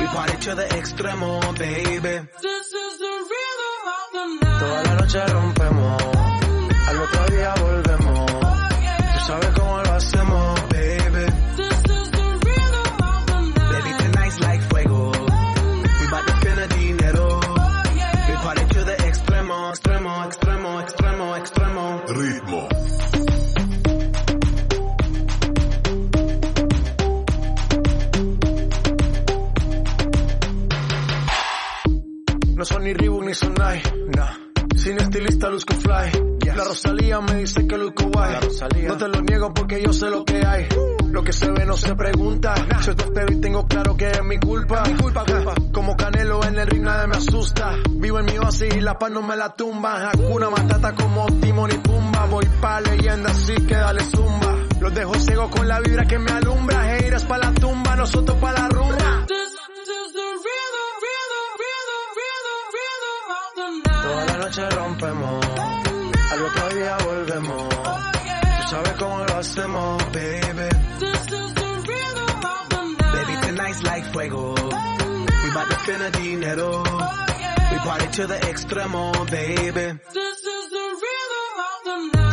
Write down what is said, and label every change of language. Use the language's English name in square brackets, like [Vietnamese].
[English] We party to the extremo, baby. This is the rhythm of the night. [Spanish] Toda la noche rompemos. Oh, al otro día volvemos. Oh, yeah. Tú sabes cómo lo hacemos, baby. [English] This is the rhythm of the night. Baby, tonight's like fuego. Oh, we about to spend the dinero. Oh, yeah. We party to the [Spanish] extremo, extremo, extremo, extremo, extremo. Ritmo. No son ni Reebok ni Sonai, no. Sin estilista luzco fly, [English] yes. [Spanish] La Rosalía me dice que luzco guay. No te lo niego porque yo sé lo que hay. Lo que se ve no se pregunta, nah. Soy tostero y tengo claro que es mi culpa. Es mi culpa, culpa. Como Canelo en el ring nadie me asusta. Vivo en mi oasis y la paz no me la tumba. Hakuna Matata como Timón y Pumba. Voy pa' leyenda así que dale zumba. Los dejo ciego con la vibra que me alumbra. Haters pa' la tumba, nosotros pa' la rumba. Noche rompemos, al otro día volvemos. Oh, yeah. Tú sabes cómo lo hacemos, baby. [English] This is the rhythm of the night. Baby, tonight's like fuego. Oh, we about to spend the dinero. Oh, yeah. We party to the extremo, baby. This is the rhythm of the night.